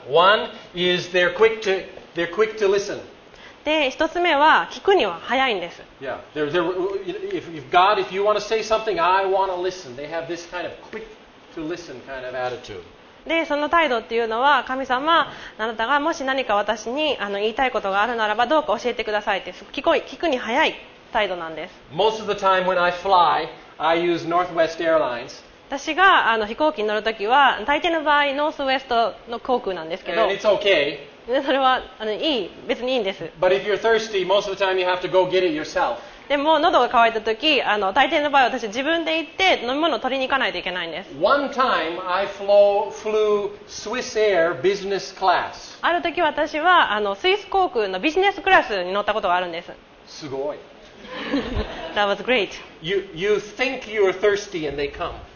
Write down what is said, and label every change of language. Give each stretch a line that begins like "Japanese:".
English: One is they're quick to listen.
Japanese: で、一つ目は聞くには早いんです。
English: Yeah. If you want to say something, I want to listen. They have this kind of quick to listen kind of attitude.
Japanese: で、その態度っていうのは、神様、あなたがもし何か私に言いたいことがあるならばどうか教えてくださいって、聞くに早い態度なんです。
English: Most of the time when I fly, I use Northwest Airlines.
Japanese: 私が飛行機に乗るときは、大抵の場合、ノースウェストの航空なんですけど、
English: And it's okay.
Japanese: それはいい、別にいいんです。
English: But if you're thirsty, most of the time you have to go get it yourself.
Japanese: でも喉が渇いたとき、大抵の場合は私自分で行って飲み物を取りに行かないといけないんです。
English: One time I flew Swiss Air business class.
Japanese: あるとき私はスイス航空のビジネスクラスに乗ったことがあるんです。すごい。
English: That was great. You think you're thirsty and they come.